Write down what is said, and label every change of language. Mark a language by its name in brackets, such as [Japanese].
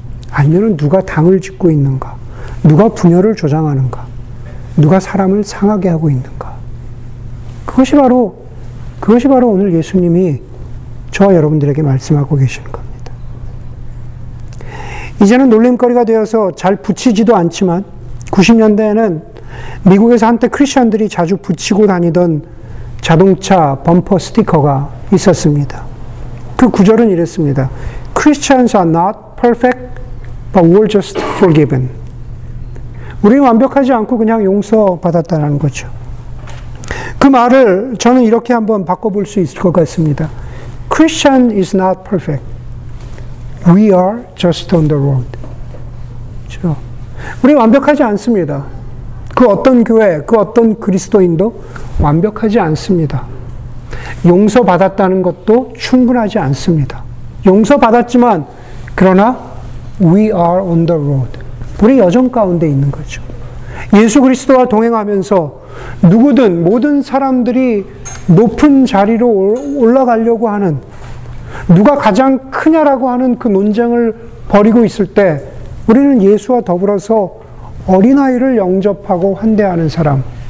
[Korean] 아니면 누가 당을 짓고 있는가, 누가 분열을 조장하는가, 누가 사람을 상하게 하고 있는가, 그것이 바로 오늘 예수님이 저와 여러분들에게 말씀하고 계시는 겁니다. 이제는 놀림거리가 되어서 잘 붙이지도 않지만, 90년대에는 미국에서 한때 크리스천들이 자주 붙이고 다니던 자동차 범퍼 스티커가 있었습니다. 그 구절은 이랬습니다. [English] Christians are not perfect, but we're just forgiven. [Korean] 우리는 완벽하지 않고 그냥 용서받았다는 거죠. 그 말을 저는 이렇게 한번 바꿔볼 수 있을 것 같습니다. [English] Christian is not perfect. We are just on the road. [Korean] 그렇죠? 우리 완벽하지 않습니다. 그 어떤 교회, 그 어떤 그리스도인도 완벽하지 않습니다. 용서받았다는 것도 충분하지 않습니다. 용서받았지만, 그러나 [English] we are on the road. [Korean] 우리 여정 가운데 있는 거죠. 예수 그리스도와 동행하면서 누구든, 모든 사람들이 높은 자리로 올라가려고 하는, 누가 가장 크냐라고 하는 그 논쟁을 벌이고 있을 때 우리는 예수와 더불어서 어린아이를 영접하고 환대하는 사람.